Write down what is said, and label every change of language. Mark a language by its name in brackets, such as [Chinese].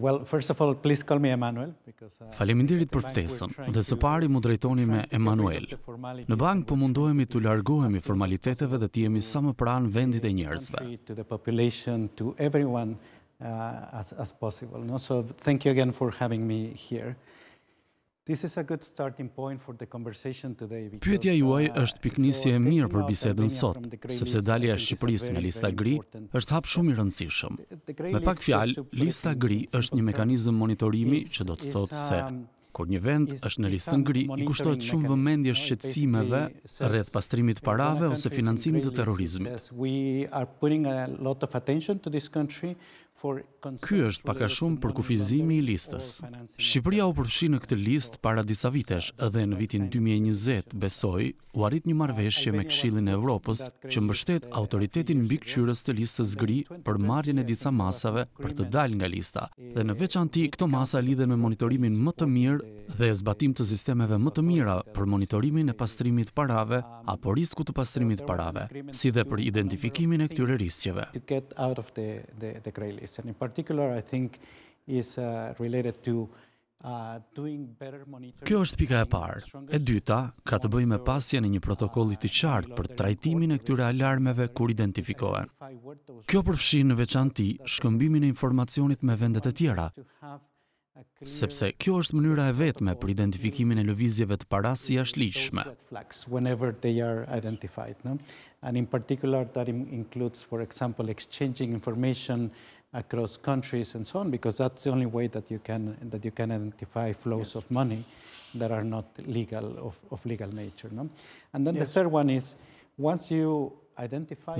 [English] Well, first of all, please call me Emanuel because [Albanian] faleminderit për ftesën. Dhe së pari mu drejtoni me Emanuel. Në bank po mundohemi të largohemi formaliteteve dhe të jemi sa më pranë vendit e njerëzve. [English] To the population, to everyone as possible. No, so thank you again for having me here. This is a good starting point for the conversation today. [Albanian] Pyetja juaj është piknisje e mirë për bisedën sot, sepse dalja e Shqipërisë nga lista gri është hap shumë i rëndësishëm. Me pak fjalë, lista gri është një mekanizëm monitorimi që do të thotë se kur një vend është në listën gri, i kushtohet shumë vëmendje shqetësimeve rreth pastrimit të parave ose financimit të terrorizmit. [English] We are putting a lot of attention to this country. [Albanian] Ky është pak a shumë për kufizimi i listës. Shqipëria u përfshi në këtë listë para disa vitesh, edhe në vitin 2020, besoj, u arrit një marrëveshje me Këshillin e Evropës që mbështet autoritetin mbikëqyrës të listës gri për marrjen e disa masave për të dalë nga lista. Dhe në veçanti, këto masa lidhen me monitorimin më të mirë dhe zbatim të sistemeve më të mira për monitorimin e pastrimit parave apo risku të pastrimit parave, si dhe për identifikimin e këtyre riskeve. [English] And in particular, I think, is related to doing better monitoring. [Albanian] Kjo është pika e parë. E dyta, ka të bëjë me pasjen e një protokolli të qartë për trajtimin e këtyre alarmeve kur identifikohen. Kjo përfshin në veçanti shkëmbimin e informacionit me vendet e tjera, sepse kjo është mënyra e vetme për identifikimin e lëvizjeve të parave si jashtë ligjshme. [English] Whenever they are identified, no? And in particular, that includes, for example, exchanging information across countries and so on, because that's the only way that you can identify flows of money that are not legal of legal nature, no? And then the third one is once you identify